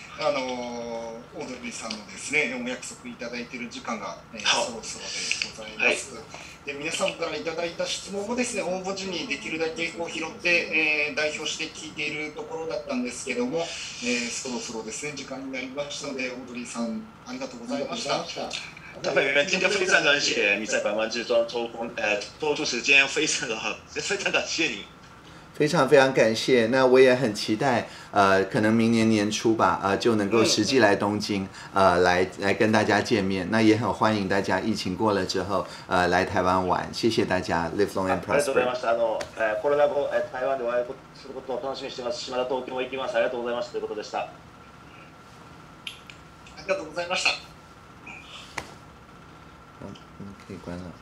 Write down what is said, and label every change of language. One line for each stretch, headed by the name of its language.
Japanese: オードリーさんのですね、お約束いただいている時間が、そろそろでございます、はい、で皆さんからいただいた質問もですね、応募時にできるだけこう拾って、代表して聞いているところだったんですけども、そろそろですね、時間になりましたので、オードリーさんありがとうございました。
Chinese: 大家今天非常感谢你在百忙之中抽空抽出时间，非常的非常感谢你，非常非常感谢。那我也很期待，可能明年年初吧，就能够实际来东京，来跟大家见面。那也很欢迎大家疫情过了之后，来台湾玩。谢谢大家 ，
English: Live long and prosper。
Japanese: ありがとうございました。コロナ後台湾でお会いすることを楽しみにしてます。島田東京行きます。ありがとうございましたということでした。ありがとうございました。
Chinese: 可以关了。